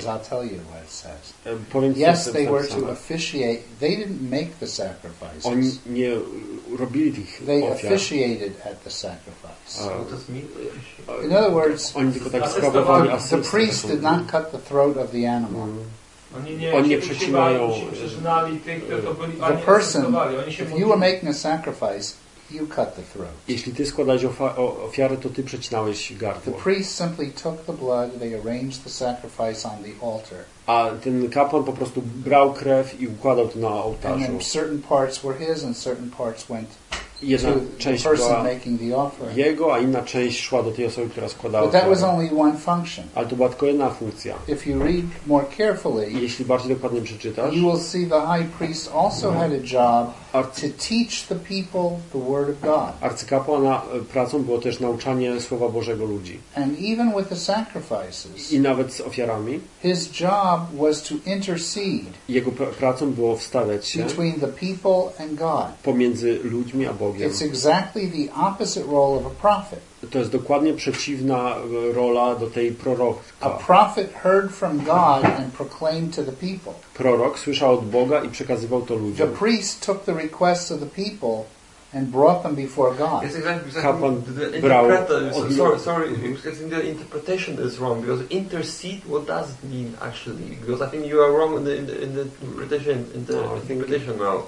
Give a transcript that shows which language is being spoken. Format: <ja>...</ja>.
<en>I'll tell you what it says. Yes, they were to officiate. They didn't make the sacrifices.</en> <pl>Oni nie robili tych ofiar.</pl> <en>They officiated at the sacrifice. What does mean? In other words,</en> <pl>oni tylko tak sprawowali.</pl> <en>The priest did not cut the throat of the animal.</en> <pl>Oni nie przecinają. Przeżynali tych, to byli</pl> <en>the person. If you were making a sacrifice, you cut the throat.</en> <pl>Jeśli ty składałeś ofiarę, to ty przecinałeś gardło.</pl> <en>The priest simply took the blood, they arranged the sacrifice on the altar.</en> <pl>A ten kapłan po prostu brał krew i układał to na ołtarzu.</pl> <en>And certain parts were his and certain parts went</en> <pl>jedna</pl> <en>to</en> <pl>część</pl> <en>the person making the offering.</en> <pl>Jego, a inna część szła do tej osoby, która składała ofiarę.</pl> <en>But that was only one function.</en> <pl>Ale to była tylko jedna funkcja.</pl> <en>If you read more carefully,</en> <pl>jeśli bardziej dokładnie przeczytasz,</pl> <en>you will see the high priest also had a job to teach the people the word of God.</en> <pl>Arcykapłana pracą było też nauczanie słowa Bożego ludzi.</pl> <en>And even with the sacrifices,</en> <pl>i nawet z ofiarami,</pl> <en>his job was to intercede.</en> <pl>Jego pracą było wstawiać się</pl> <en>between the people and God.</en> <pl>Pomiędzy ludźmi a Bogiem.</pl> <en>It's exactly the opposite role of a prophet.</en> <pl>To jest dokładnie przeciwna rola do tej proroka.</pl> <en>A prophet heard from God and proclaimed to the people.</en> <pl>Prorok słyszał od Boga i przekazywał to ludziom.</pl> <en>The priest took the requests of the people and brought them before God.</en> <pl>Kapłan brał od ludzi.</pl> <en>Sorry, because I think the interpretation is wrong. Because intercede, what does it mean actually? Because I think you are wrong in the interpretation.</en>